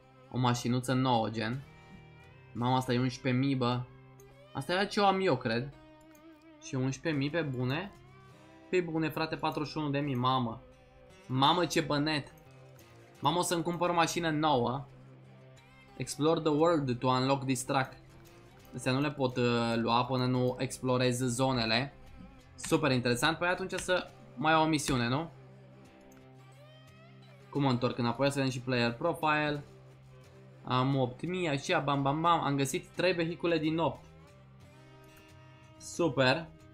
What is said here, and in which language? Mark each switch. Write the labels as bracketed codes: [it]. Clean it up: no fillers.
[ro] O mașinuță nouă, gen. Mama, asta e 11.000, bă. Asta era ce o am eu, cred. Și 11.000, pe bune? Pe bune, frate, 41.000, mamă. Mamă, ce bănet. Mamă, o să-mi cumpăr o mașină nouă. [en] Explore the world to unlock this truck. [ro] Astea nu le pot lua până nu explorez zonele. Super interesant. Păi atunci să mai au o misiune, nu? Cum mă întorc înapoi? Să vedem și player profile. Am 8.000, așa, bam, bam, bam. Am găsit 3 vehicule din 8. Super.